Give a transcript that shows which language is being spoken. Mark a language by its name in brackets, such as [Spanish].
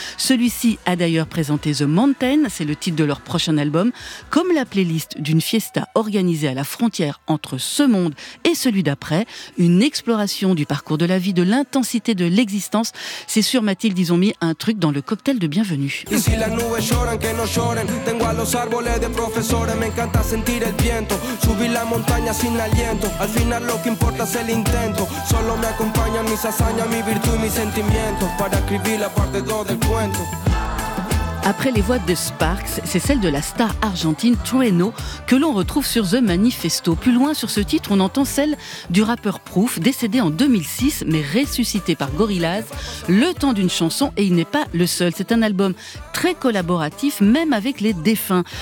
[French] Celui-ci a d'ailleurs présenté The Mountain, c'est le titre de leur prochain album, comme la playlist d'une fiesta organisée à la frontière entre ce monde et celui d'après, une exploration du parcours de la vie, de l'intensité de l'existence. C'est sûr, Mathilde, ils ont mis un truc dans le cocktail de bienvenue. [Spanish] Et si les nubes lloran, que no lloren, tengo a los árboles de profesores, me encanta sentir el viento, subir la montaña sin aliento, al final lo que importa es el intento, solo me acompañan mis hazañas, mi virtud y mis sentimientos, para escribir la parte 2 del cuento. [French] Après les voix de Sparks, c'est celle de la star argentine Trueno que l'on retrouve sur The Manifesto. Plus loin sur ce titre, on entend celle du rappeur Proof, décédé en 2006 mais ressuscité par Gorillaz, le temps d'une chanson, et il n'est pas le seul. C'est un album très collaboratif, même avec les défunts.